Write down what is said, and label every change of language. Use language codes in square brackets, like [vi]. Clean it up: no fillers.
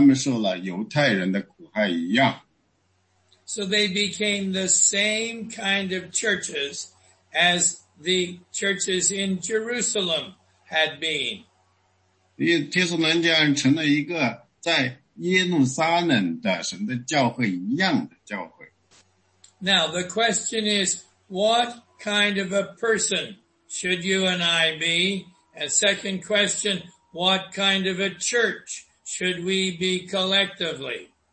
[zh] 第四节说，弟兄们，你们曾效法犹太中在基督耶稣里神的各教会，因为你们也受了本地人的苦害，像他们受了犹太人的苦害一样。 [en] So they became the same kind of churches as the churches in Jerusalem had been. [zh] 因为帖撒罗尼迦人成了一个在耶路撒冷的神的教会一样的教会。 [en] Now the question is, what kind of a person should you and I be? And second question, what kind of a church should we be collectively?